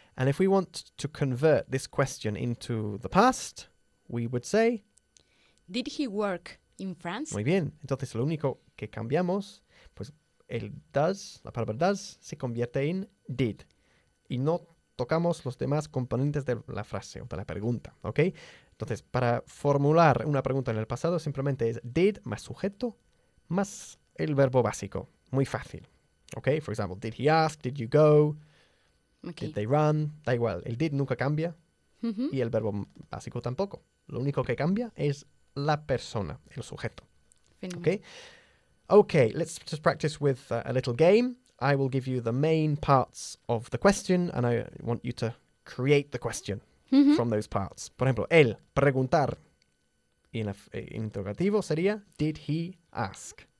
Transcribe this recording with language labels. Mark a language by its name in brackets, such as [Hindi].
[English] And if we want to convert this question into the past, we would say... Did he work in France? [Spanish] Muy bien. Entonces, lo único que cambiamos, pues el does, la palabra does, se convierte en did. Y no tocamos los demás componentes de la frase o de la pregunta, ¿ok? Entonces, para formular una pregunta en el pasado, simplemente es did más sujeto más el verbo básico. Muy fácil, ¿ok? [English] For example, did he ask, did you go, okay. Did they run, [Spanish] da igual. El did nunca cambia y el verbo básico tampoco. Lo único que cambia es la persona, el sujeto, ¿ok? [English] Okay, let's just practice with a little game. I will give you the main parts of the question and I want you to create the question from those parts. [Spanish] Por ejemplo, el preguntar en interrogativo sería [English] did he ask?